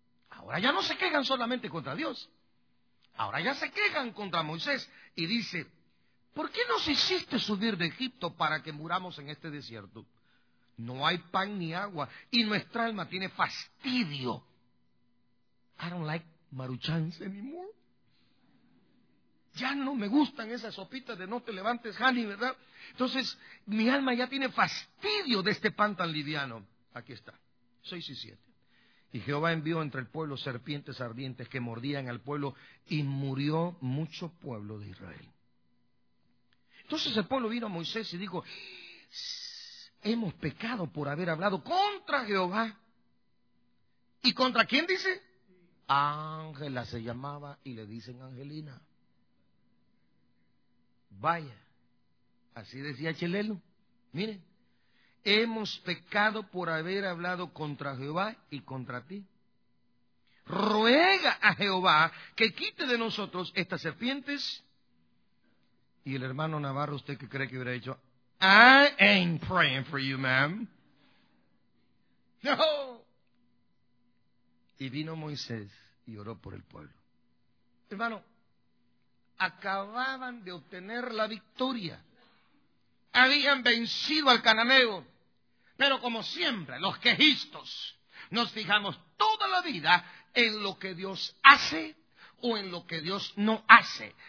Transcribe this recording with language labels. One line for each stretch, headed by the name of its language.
Spanish: Ahora ya no se quejan solamente contra Dios, ahora ya se quejan contra Moisés. Y dice, ¿Por qué nos hiciste subir de Egipto para que muramos en este desierto? No hay pan ni agua y nuestra alma tiene fastidio.
English: I don't like maruchans anymore.
Spanish: Ya no me gustan esas sopitas de no te levantes, honey, ¿verdad? Entonces, mi alma ya tiene fastidio de este pan tan liviano. Aquí está, 6 y 7. Y Jehová envió entre el pueblo serpientes ardientes que mordían al pueblo y murió mucho pueblo de Israel. Entonces el pueblo vino a Moisés y dijo, hemos pecado por haber hablado contra Jehová. ¿Y contra quién dice? Ángela se llamaba y le dicen Angelina. Vaya, así decía Chelelo. Miren, hemos pecado por haber hablado contra Jehová y contra ti. Ruega a Jehová que quite de nosotros estas serpientes. Y el hermano Navarro, ¿usted qué cree que hubiera dicho?
English: I ain't praying for you, ma'am. No.
Spanish: Y vino Moisés y oró por el pueblo. Hermano, acababan de obtener la victoria. Habían vencido al cananeo. Pero como siempre, los quejistos, nos fijamos toda la vida en lo que Dios hace o en lo que Dios no hace.